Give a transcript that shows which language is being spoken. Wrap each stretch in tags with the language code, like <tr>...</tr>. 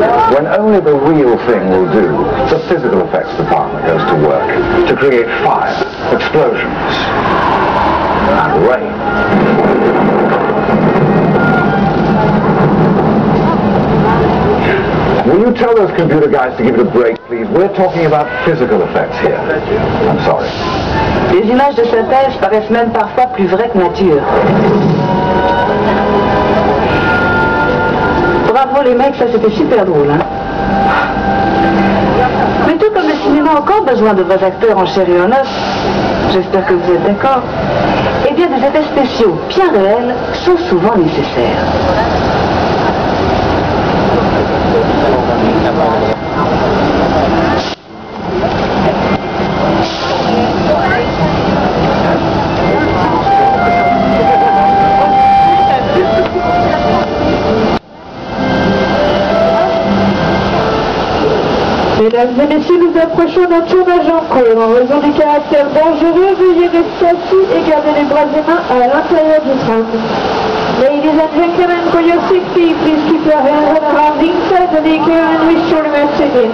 <en>When only the real thing will do, the physical effects department goes to work to create fire, explosions, and rain. Will you tell those computer guys to give it a break, please? We're talking about physical effects here. I'm sorry.</en> <fr>Les images de synthèse paraissent même parfois plus vraies que nature. Bravo les mecs, ça c'était super drôle, hein? Mais tout comme le cinéma a encore besoin de vos acteurs en chair et en os, j'espère que vous êtes d'accord, eh bien des effets spéciaux bien réels sont souvent nécessaires. Mesdames et messieurs, nous approchons d'un tournage en cours. En raison du caractère dangereux, veuillez rester assis et garder les bras et mains à l'intérieur du train.</fr> <en>Ladies and gentlemen, for your safety, please keep your hands and arms inside the vehicle and we shall remain seated.</en>